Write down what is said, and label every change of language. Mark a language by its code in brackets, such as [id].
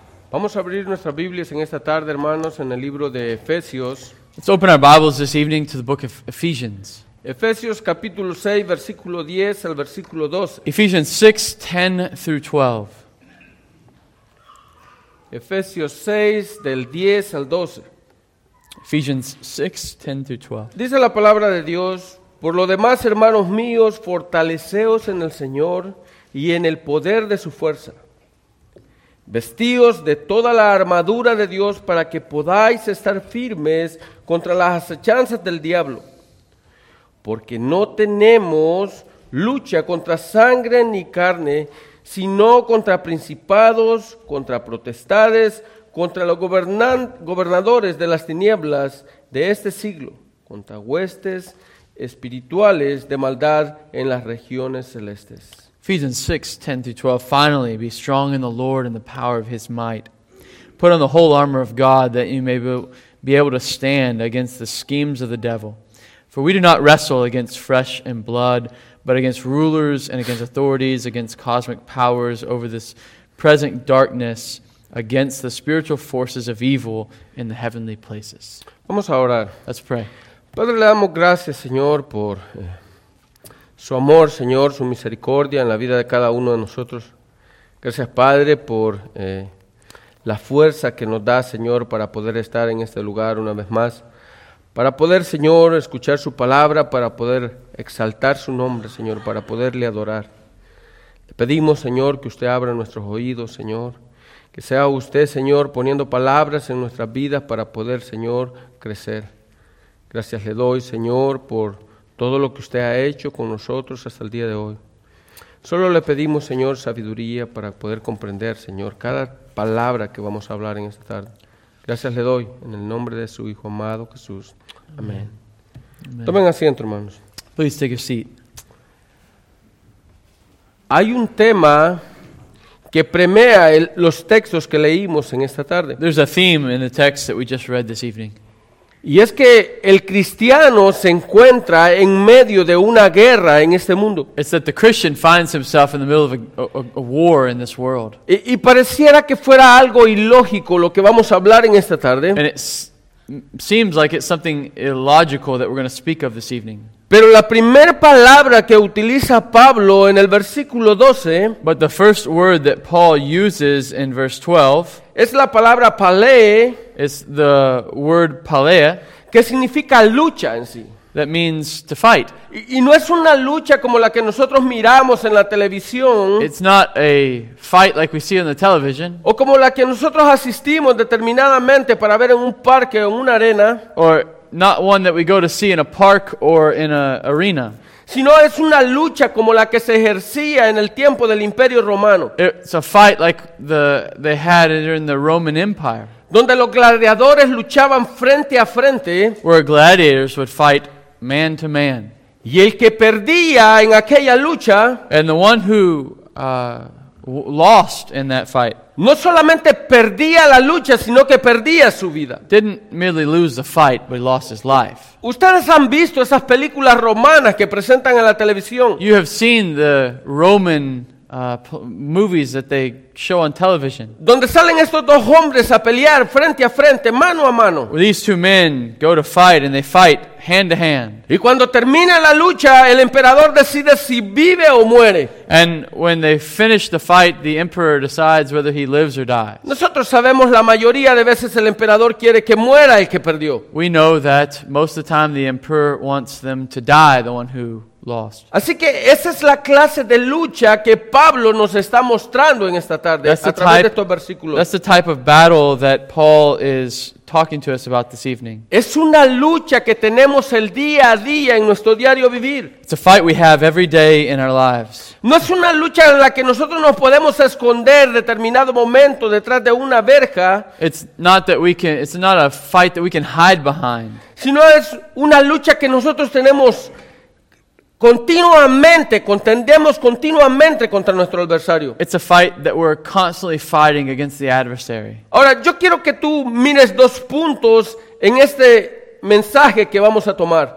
[es] Vamos a abrir nuestras Biblias en esta tarde, hermanos, en el libro de Efesios. [en] Let's open our Bibles this evening to the book of Ephesians. [es] Efesios capítulo 6, versículo 10 al versículo 12. [en] Ephesians 6, 10 through 12. [es] Efesios 6, del 10 al 12. [en] Ephesians 6, 10 through 12. [es] Dice la palabra de Dios: por lo demás, hermanos míos, fortaleceos en el Señor y en el poder de su fuerza. Vestíos de toda la armadura de Dios para que podáis estar firmes contra las acechanzas del diablo. Porque no tenemos lucha contra sangre ni carne, sino contra principados, contra potestades, contra los gobernadores de las tinieblas de este siglo, contra huestes espirituales de maldad en las regiones celestes. [en] Ephesians 6, 10-12, finally, be strong in the Lord and the power of His might. Put on the whole armor of God that you may be able to stand against the schemes of the devil. For we do not wrestle against flesh and blood, but against rulers and against authorities, against cosmic powers over this present darkness, against the spiritual forces of evil in the heavenly places. [es] Vamos a orar. [en] Let's pray. [es] Padre, le damos gracias, Señor, por su amor, Señor, su misericordia en la vida de cada uno de nosotros. Gracias, Padre, por la fuerza que nos da, Señor, para poder estar en este lugar una vez más. Para poder, Señor, escuchar su palabra, para poder exaltar su nombre, Señor, para poderle adorar. Le pedimos, Señor, que usted abra nuestros oídos, Señor. Que sea usted, Señor, poniendo palabras en nuestras vidas para poder, Señor, crecer. Gracias le doy, Señor, por todo lo que usted ha hecho con nosotros hasta el día de hoy. Solo le pedimos, Señor, sabiduría para poder comprender, Señor, cada palabra que vamos a hablar en esta tarde. Gracias le doy en el nombre de su Hijo amado, Jesús. Amén. Amén. Tomen asiento, hermanos. [en] Please take a seat. [es] Hay un tema que premia los textos que leímos en esta tarde. [en] There's a theme in the text that we just read this evening. [es] Y es que el cristiano se encuentra en medio de una guerra en este mundo. [en] It's that the Christian finds himself in the middle of a war in this world. [es] Y pareciera que fuera algo ilógico lo que vamos a hablar en esta tarde. [en] And it seems like it's something illogical that we're going to speak of this evening. [es] Pero la primera palabra que utiliza Pablo en el versículo 12, [en] but the first word that Paul uses in verse 12, [es] es la palabra palae. [en] It's the word palea, [es] que significa lucha en sí. [en] That means to fight. [es] Y no es una lucha como la que nosotros miramos en la televisión. [en] It's not a fight like we see on the television. [es] O como la que nosotros asistimos determinadamente para ver en un parque o en una arena. [en] Or not one that we go to see in a park or in an arena. [es] Sino es una lucha como la que se ejercía en el tiempo del Imperio Romano. [en] It's a fight like they had during the Roman Empire. [es] Donde los gladiadores luchaban frente a frente. [en] Where gladiators would fight man to man. [es] Y el que perdía en aquella lucha. [en] And the one who lost in that fight. [es] No solamente perdía la lucha, sino que perdía su vida. [en] Didn't merely lose the fight, but he lost his life. [es] Ustedes han visto esas películas romanas que presentan en la televisión. [en] You have seen the Roman movies that they show on television. [es] Donde salen estos dos hombres a pelear frente a frente, mano a mano. [en] Where these two men go to fight and they fight hand to hand. [es] Y cuando termina la lucha, el emperador decide si vive o muere. [en] And when they finish the fight, the emperor decides whether he lives or dies. [es] Nosotros sabemos la mayoría de veces el emperador quiere que muera el que perdió. [en] We know that most of the time the emperor wants them to die, the one who lost. [es] Así que esa es la clase de lucha que Pablo nos está mostrando en esta tarde a través de estos versículos. [en] That's the type of battle that Paul is talking to us about this evening. [es] Es una lucha que tenemos el día a día en nuestro diario vivir. [en] It's a fight we have every day in our lives. [es] No es una lucha en la que nosotros nos podemos esconder determinado momento detrás de una verja. [en] It's not a fight that we can hide behind. [es] Sino es una lucha que nosotros tenemos continuamente, contendemos continuamente contra nuestro adversario. [en] It's a fight that we're constantly fighting against the adversary. [es] Ahora, yo quiero que tú mires dos puntos en este mensaje que vamos a tomar.